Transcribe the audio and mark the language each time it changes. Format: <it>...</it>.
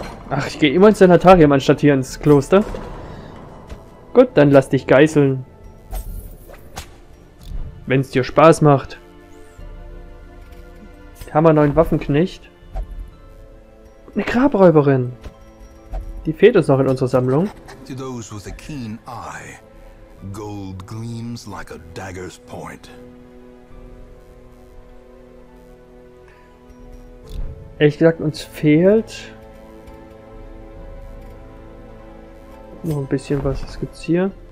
<de>Ach, ich gehe immer ins Sanatarium anstatt hier ins Kloster. Gut, dann lass dich geißeln. Wenn es dir Spaß macht. Haben wir neuen Waffenknecht? Eine Grabräuberin. Die fehlt uns noch in unserer Sammlung.</de> <en>To those with a keen eye, gold gleams like a dagger's point.</en> <de>Ehrlich gesagt, uns fehlt noch ein bisschen was. Was gibt's hier?</de>